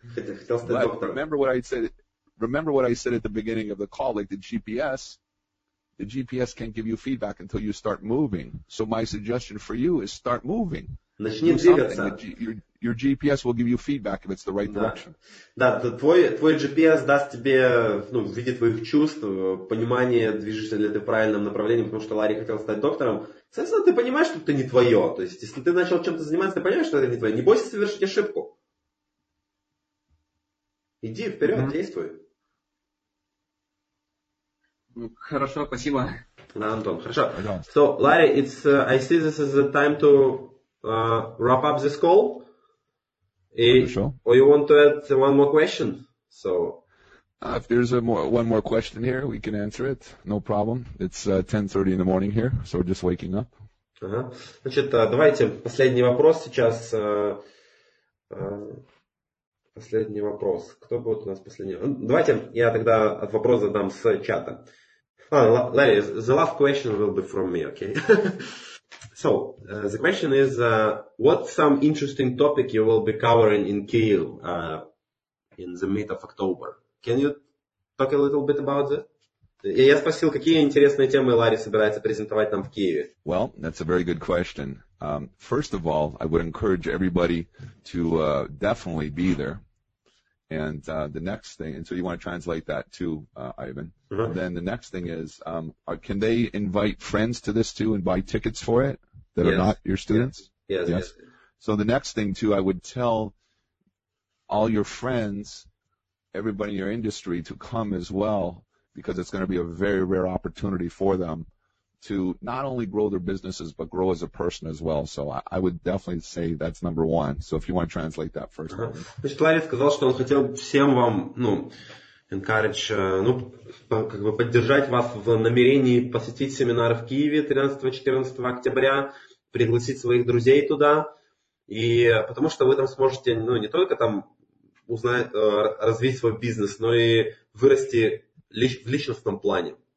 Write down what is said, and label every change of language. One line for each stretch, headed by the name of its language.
English: But remember what I said at the beginning of the call, like the GPS can't give you feedback until you start moving. So my suggestion for you is start moving.
Russian: Начни двигаться.
English: Your GPS will give you feedback if it's the right direction.
Russian: Да, да, твой GPS даст тебе, ну, в виде твоих чувств, понимание, движешься ли ты в правильном направлении, потому что Ларри хотел стать доктором. Соответственно, ты понимаешь, что это не твое. То есть, если ты начал чем-то заниматься, ты понимаешь, что это не твое. Не бойся совершить ошибку. Иди вперед, mm-hmm. действуй. Ну, хорошо, спасибо. Да, Антон, хорошо.
English: So, Ларри, I see this is the time to wrap up this call. Or you want to add one more question? So, if there's one more question here, we can answer it. No problem. It's 10:30 in the morning here, so we're just waking up. Uh-huh.
Russian: Значит, давайте последний вопрос сейчас. Последний вопрос. Кто будет у нас последний? Давайте я тогда вопрос задам с чата.
English: Ларри, the last question will be from me, okay? So, the question is, what's some interesting topic you will be covering in Kyiv in the mid of October? Can you talk a little bit about that?
Russian: Я спросил, какие интересные темы Ларри собирается презентовать нам в Киеве.
English: Well, that's a very good question. First of all, I would encourage everybody to definitely be there. And the next thing, and so you want to translate that too, Ivan. Uh-huh. Then the next thing is, can they invite friends to this too and buy tickets for it that yes. are not your students? Yes. So the next thing too, I would tell all your friends, everybody in your industry to come as well, because it's going to be a very rare opportunity for them to not only grow their businesses, but grow as a person as well. So I would definitely say that's number one. So if you want to translate that first. Uh-huh.
Russian: Значит, Ларри сказал, что он хотел всем вам, ну, encourage, ну, как бы поддержать вас в намерении посетить семинар в Киеве 13-14 октября, пригласить своих друзей туда, и потому что вы там сможете, ну, не только там узнать, развить свой бизнес, но и вырасти в личностном плане.